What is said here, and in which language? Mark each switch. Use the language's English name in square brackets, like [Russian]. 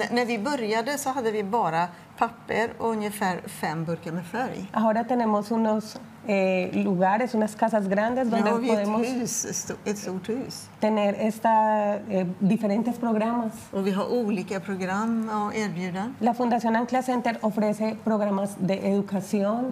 [Swedish] När vi började så hade vi bara papper och ungefär 5 burkar med färg. [Spanish] Ahora tenemos unos lugares, unas casas grandes donde podemos [Swedish] ett stort hus. [Spanish] Tener esta diferentes programas. [Swedish] Och vi har olika program att erbjuda. [Spanish] La Fundación Ancla Center ofrece programas de educación.